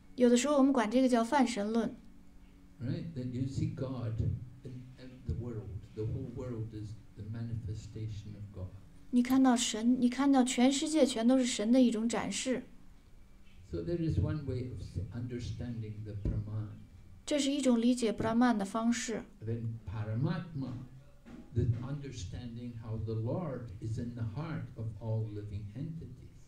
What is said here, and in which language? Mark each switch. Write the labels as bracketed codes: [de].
[zh] 有的时候我们管这个叫泛神论。 [en] Right, that you see God in the world. The whole world is the manifestation of God. [zh] 你看到神，你看到全世界全都是神的一种展示。 [en] So there is one way of understanding the Brahman. [zh] 这是一种理解 Brahman 的方式。 [en] Then Paramatma, the understanding how the Lord is in the heart of all living entities.